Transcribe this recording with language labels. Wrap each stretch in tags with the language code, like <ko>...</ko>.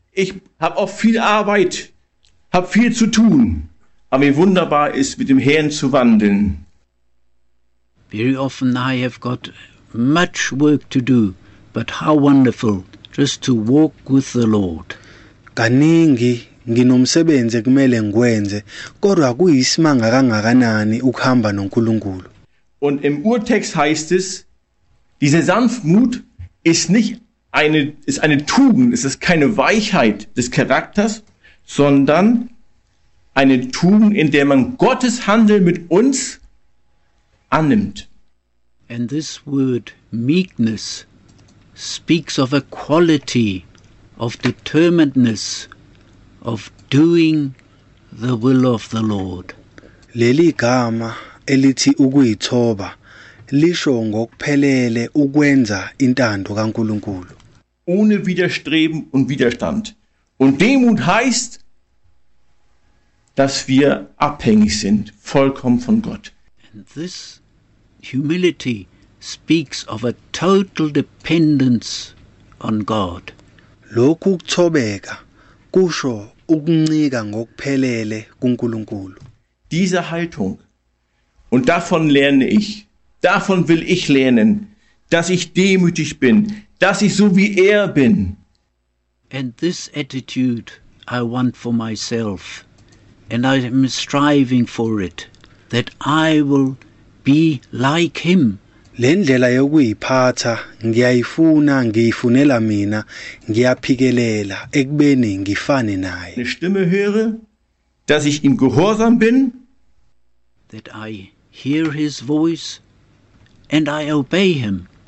<de>Ich habe auch viel Arbeit, habe viel zu tun. Aber wie wunderbar ist, mit dem Herrn zu wandeln.</de> <en>Very often I have got much work to do, but how wonderful just to walk with the Lord.</en> <zu>Kaningi nginomsebenzi kumele ngwenze, kodwa kuyisimanga kangakanani ukuhamba noNkulunkulu.</zu> <de>Und im Urtext heißt es, diese Sanftmut ist nicht eine Tugend, es ist keine Weichheit des Charakters, sondern eine Tugend, in der man Gottes Handeln mit uns annimmt.</de> <en>And this word meekness speaks of a quality of determinedness of doing the will of the Lord.</en> <zu>Leli gama elithi ukuyithoba lisho ngokuphelele ukwenza intando kaNkulunkulu.</zu> <de>Ohne Widerstreben und Widerstand. Und Demut heißt, dass wir abhängig sind, vollkommen von Gott.</de> <en>And this humility speaks of a total dependence on God.</en> <zu>Lokhu kuthobeka kusho ukuncika ngokuphelele kuNkulunkulu.</zu> <de>Diese Haltung, und davon lerne ich, davon will ich lernen, dass ich demütig bin, dass ich so wie er bin.</de> <en>And this attitude I want for myself, and I am striving for it, that I will be like him.</en> <zu>Lendlela yokuyiphatha ngiyayifuna, ngiyifunela mina, ngiyaphikelela ekubeni ngifane naye.</zu> <de>Eine Stimme höre, dass ich ihm gehorsam bin.</de> <en>That I hear his voice and I obey him.</en>